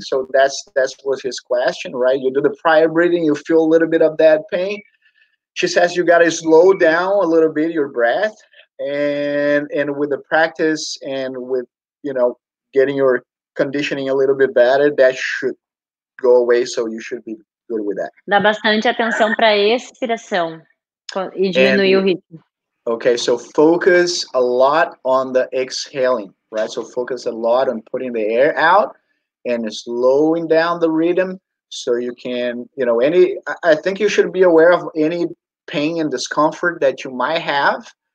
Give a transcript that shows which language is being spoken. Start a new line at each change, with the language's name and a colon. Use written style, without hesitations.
English: So that's was his question, right? You do the fire breathing, you feel a little bit of that pain. She says you gotta slow down a little bit your breath. And with the practice and with, you know, getting your conditioning a little bit better, that should go away. So you should be good with that.
Portuguese: Dá bastante atenção para expiração e diminuir o ritmo.
English: Okay, so focus a lot on the exhaling, right? So focus a lot on putting the air out and slowing down the rhythm so you can, you know, I think you should be aware of any pain and discomfort that you might have.